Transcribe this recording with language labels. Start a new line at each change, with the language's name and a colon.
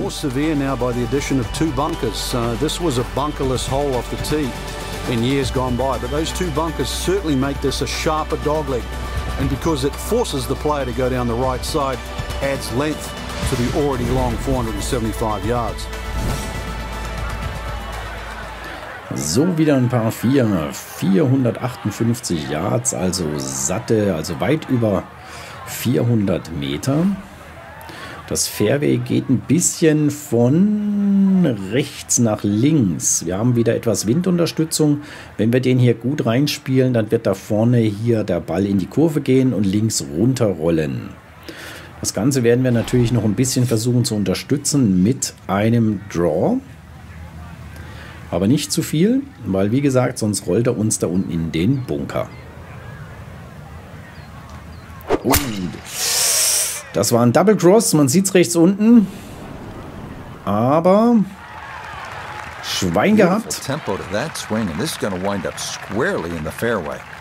English: More severe now by the addition of two bunkers. This was a bunkerless hole off the tee in years gone by, but those two bunkers certainly make this a sharper dogleg. and because it forces the player to go down the right side, adds length to the already long 475 yards.
German: So, wieder ein paar 458 Yards, also satte, also weit über 400 Meter. Das Fairway geht ein bisschen von rechts nach links. Wir haben wieder etwas Windunterstützung. Wenn wir den hier gut reinspielen, dann wird da vorne hier der Ball in die Kurve gehen und links runterrollen. Das Ganze werden wir natürlich noch ein bisschen versuchen zu unterstützen mit einem Draw. Aber nicht zu viel, weil wie gesagt, sonst rollt er uns da unten in den Bunker. Und das war ein Double Cross, man sieht es rechts unten. Aber Schwein gehabt.
English: Tempo to that swing and this is going to wind up squarely in the fairway.